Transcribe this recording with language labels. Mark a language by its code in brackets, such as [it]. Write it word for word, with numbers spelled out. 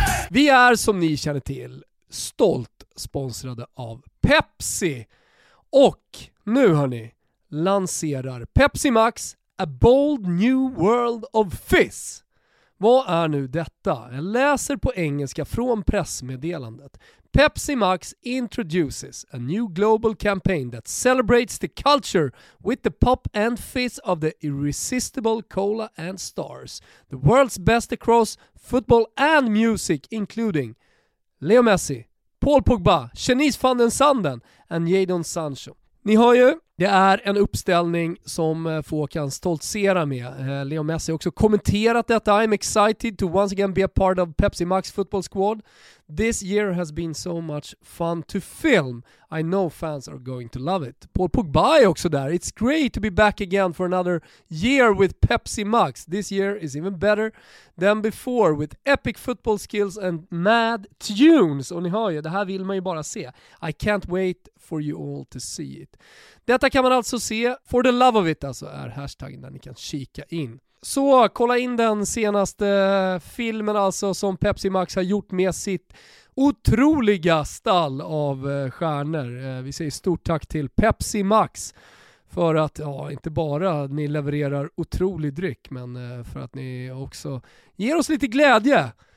[sv] Vi är som ni känner till stolt sponsrade av Pepsi. Och nu hörni, lanserar Pepsi Max A Bold New World of Fizz. Vad är nu detta? Jag läser på engelska från pressmeddelandet. [en] Pepsi Max introduces a new global campaign that celebrates the culture with the pop and fizz of the irresistible cola and stars. The world's best across football and music, including Leo Messi, Paul Pogba, Chenise van den Sanden and Jadon Sancho. [sv] Ni har ju, det är en uppställning som få kan stoltsera med. Leo Messi har också kommenterat detta. [en] I'm excited to once again be a part of Pepsi Max football squad. This year has been so much fun to film. I know fans are going to love it. [sv] Paul Pogba är också där. [en] It's great to be back again for another year with Pepsi Max. This year is even better than before with epic football skills and mad tunes. [sv] Och ni hör ju, det här vill man ju bara se. [en] I can't wait for you all to see it. [sv] Detta kan man alltså se. [en] For the love of it [sv] alltså är hashtaggen där ni kan kika in. Så kolla in den senaste filmen alltså som Pepsi Max har gjort med sitt otroliga stall av stjärnor. Vi säger stort tack till Pepsi Max för att ja, inte bara ni levererar otrolig dryck men för att ni också ger oss lite glädje.